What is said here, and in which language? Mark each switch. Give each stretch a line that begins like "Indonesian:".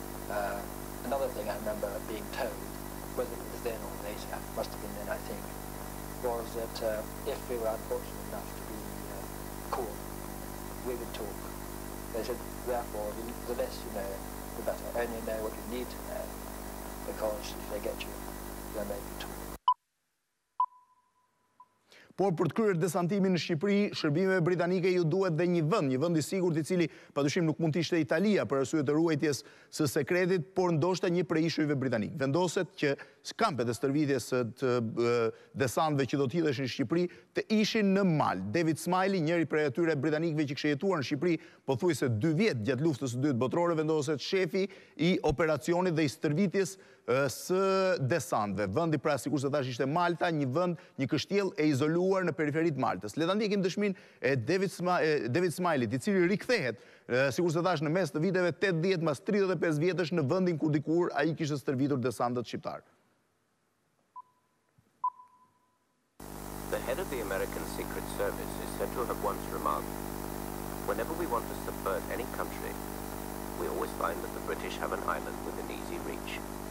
English: Another thing I remember being told, whether it was then or later, must have been then I think, was that if we were unfortunate enough to be caught, we would talk. They said, therefore, the less you know, the better. Only know what you need to know, because if they get you, then they can talk.
Albanian: Por për të kryer desantimin në Shqipëri, shërbimeve britanike ju duhet dhe një vend i sigurt i cili padyshim nuk mund të ishte Italia për arsye të ruajtjes së sekretit, por ndoshta një prej ishujve britanik. Vendoset që kampet e stërvitjes së desantëve që do të hidheshin në Shqipëri të ishin në Mal. David Smiley, njëri prej atyre britanikëve që kishte jetuar në Shqipëri pothuajse 2 vjet gjatë luftës së dytë botërore, vendoset shefi i operacionit dhe i stërvitjes së desantëve. Vendi pra sikur se thash ishte Malta, një kështjellë e izoluar në periferitë Maltës. Le ta ndjekim dëshminë e David Smiley, i cili rikthehet sikur se thash në mes të viteve 80 mbas 35 vjetësh në vendin ku dikur ai kishte stërvitur desantët shqiptar.
English: The head of the American Secret Service is said to have once remarked, whenever we want to subvert any country, we always find that the British have an island within easy reach.